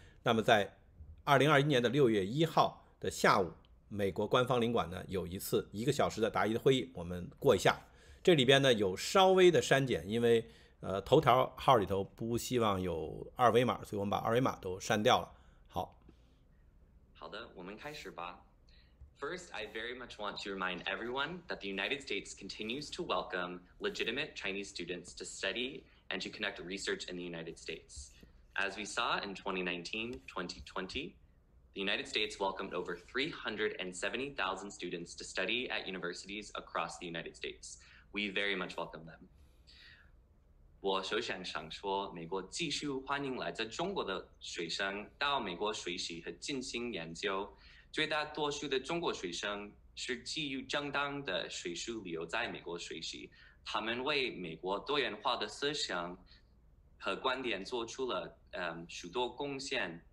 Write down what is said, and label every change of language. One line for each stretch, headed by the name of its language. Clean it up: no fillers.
Chinese: 那么在2021年的6月1号的下午，美国官方领馆呢有一次1个小时的答疑的会议，我们过一下。这里边呢有稍微的删减，因为头条号里头不希望有二维码，所以我们把二维码都删掉了。好。好的，我们开始吧。
English: First, I very much want to remind everyone that the United States continues to welcome legitimate Chinese students to study and to conduct research in the United States. As we saw in 2019-2020, the United States welcomed over 370,000 students to study at universities across the United States. We very much welcome them.
Chinese: 我首先想说，美国继续欢迎来自中国的学生到美国学习和进行研究。绝大多数的中国学生是基于正当的学术理由在美国学习，他们为美国多元化的思想和观点做出了许多贡献。